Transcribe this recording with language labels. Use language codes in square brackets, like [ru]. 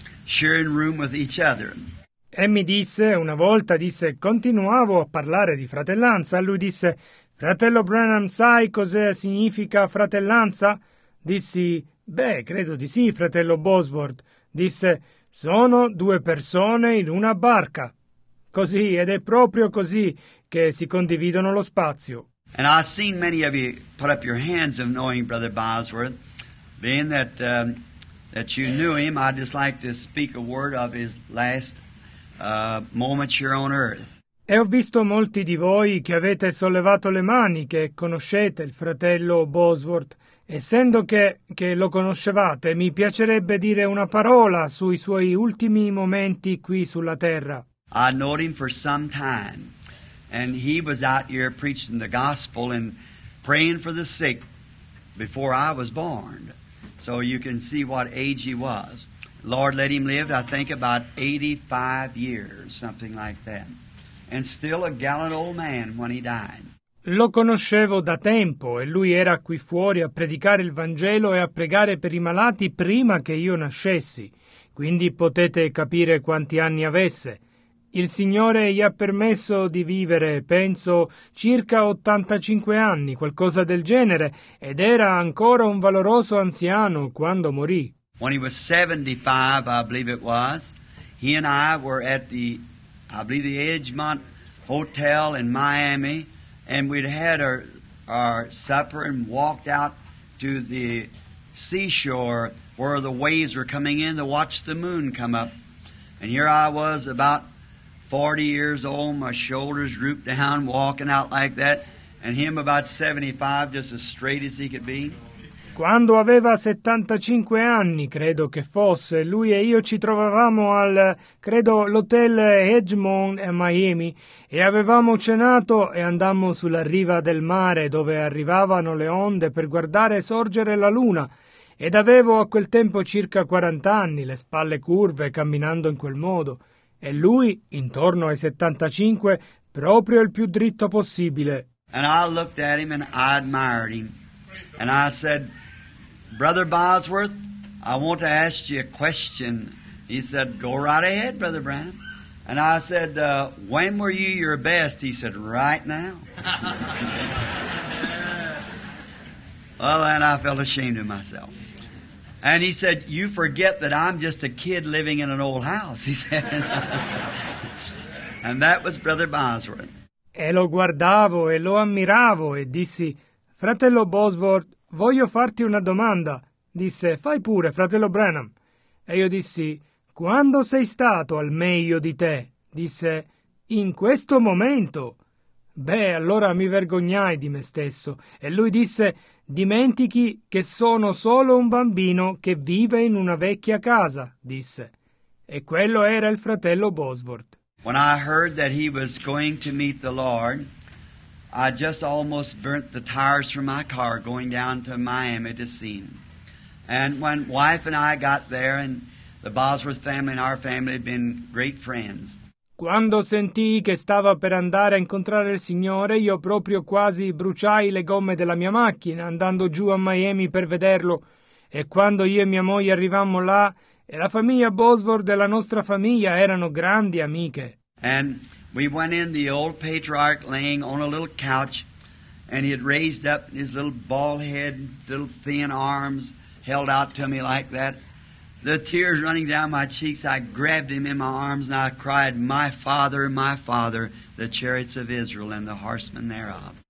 [en] sharing room with each other. [it] E mi disse, una volta disse, continuavo a parlare di fratellanza. Lui disse, fratello Branham, sai cosa significa fratellanza? Dissi, beh, credo di sì, fratello Bosworth. Disse, sono due persone in una barca. Così, ed è proprio così che si condividono lo spazio. [en] And I've seen many of you put up your hands of knowing Brother Bosworth. Being that that you knew him, I'd just like to speak a word of his last moments here on earth. [it] E ho visto molti di voi che avete sollevato le mani, che conoscete il fratello Bosworth. Essendo che lo conoscevate, mi piacerebbe dire una parola sui suoi ultimi momenti qui sulla terra. [en] I knew him for some time, and he was out here preaching the gospel and praying for the sick before I was born. So you can see what age he was. Lord let him live, I think, about 85 years, something like that. And still a gallant old man when he died. [it] Lo conoscevo da tempo e lui era qui fuori a predicare il Vangelo e a pregare per i malati prima che io nascessi. Quindi potete capire quanti anni avesse. Il Signore gli ha permesso di vivere, penso, circa 85 anni, qualcosa del genere, ed era ancora un valoroso anziano quando morì. [en] When he was 75, I believe it was, he and I were at the, I believe, the Edgemont Hotel in Miami. And we'd had our supper and walked out to the seashore where the waves were coming in to watch the moon come up. And here I was about 40 years old, my shoulders drooped down, walking out like that, and him about 75, just as straight as he could be. [it] Quando aveva 75 anni, credo che fosse, lui e io ci trovavamo al, credo, l'hotel Edgemont a Miami e avevamo cenato e andammo sulla riva del mare dove arrivavano le onde per guardare sorgere la luna ed avevo a quel tempo circa 40 anni, le spalle curve, camminando in quel modo e lui, intorno ai 75, proprio il più dritto possibile. [en] And I looked at him and I admired him. And I said, Brother Bosworth, I want to ask you a question. He said, go right ahead, Brother Branham. And I said, when were you your best? He said, right now. Well, then I felt ashamed of myself. And he said, you forget that I'm just a kid living in an old house, he said. And that was Brother Bosworth. [it] E lo guardavo e lo ammiravo e dissi, fratello Bosworth, voglio farti una domanda. Disse, fai pure, fratello Branham. E io dissi, quando sei stato al meglio di te? Disse, in questo momento. Beh, allora mi vergognai di me stesso. E lui disse, dimentichi che sono solo un bambino che vive in una vecchia casa, disse. E quello era il fratello Bosworth. [en] When I heard that he was going to meet the Lord, I just almost burnt the tires from my car going down to Miami to see him. And when wife and I got there, and the Bosworth family and our family had been great friends. [it] Quando sentii che stava per andare a incontrare il Signore, io proprio quasi bruciai le gomme della mia macchina andando giù a Miami per vederlo. E quando io e mia moglie arrivammo là, e la famiglia Bosworth e la nostra famiglia erano grandi amiche. [en] And we went in the old patriarch laying on a little couch, and he had raised up his little bald head, little thin arms, held out to me like that. The tears running down my cheeks, I grabbed him in my arms and I cried, my father, the chariots of Israel and the horsemen thereof.